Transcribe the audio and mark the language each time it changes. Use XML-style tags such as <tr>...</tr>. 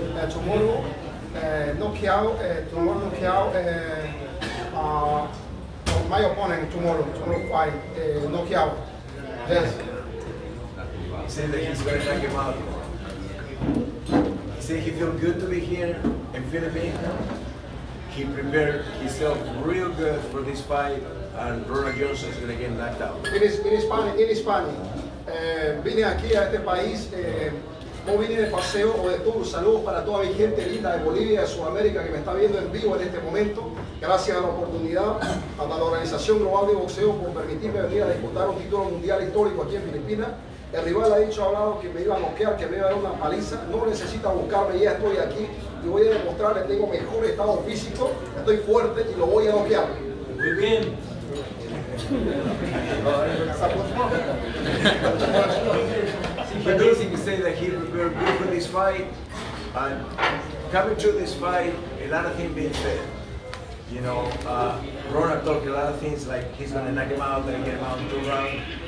<en>Tomorrow, knockout, my opponent tomorrow fight, knockout. Yes. He said that he's going to knock him out. He said he feel good to be here in Philippines. He prepared himself real good for this fight, and Ronald Johnson is going to get knocked out. It is funny.</en> <es>Vine aquí a este país, no vine de paseo o de tour. Saludos para toda mi gente linda de Bolivia, de Sudamérica, que me está viendo en vivo en este momento. Gracias a la oportunidad, a la Organización Global de Boxeo, por permitirme venir a disputar un título mundial histórico aquí en Filipinas. El rival ha hablado que me iba a noquear, que me iba a dar una paliza. No necesita buscarme, ya estoy aquí y voy a demostrar que tengo mejor estado físico, estoy fuerte y lo voy a noquear. Muy bien.</es> <en>The good thing is that he prepared good for this fight, and coming through this fight, a lot of things being said. You know, Ronald talked a lot of things like he's going to knock him out, then get him out in 2 rounds.</en>